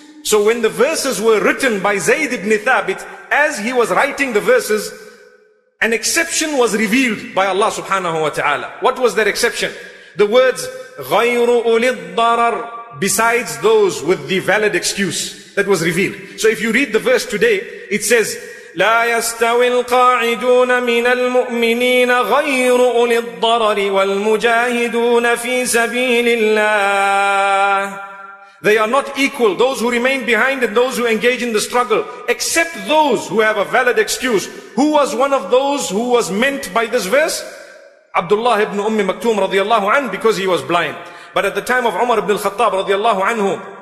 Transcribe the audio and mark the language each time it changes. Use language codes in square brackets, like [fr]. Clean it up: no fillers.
[en] So when the verses were written by Zayd ibn Thabit, as he was writing the verses, an exception was revealed by Allah subhanahu wa ta'ala. What was that exception? The words, [ar] غَيْرُ أُولِي الضَّرَرِ, [en] besides those with the valid excuse, that was revealed. So if you read the verse today, it says, [ar] لَا يَسْتَوِي الْقَاعِدُونَ مِنَ الْمُؤْمِنِينَ غَيْرُ أُولِي الضَّرَرِ وَالْمُجَاهِدُونَ فِي سَبِيلِ اللَّهِ. [en] They are not equal, those who remain behind and those who engage in the struggle, except those who have a valid excuse. Who was one of those who was meant by this verse? Abdullah ibn Umm Maktum radiallahu anhu, because he was blind. But at the time of Umar ibn al-Khattab radiallahu anhu,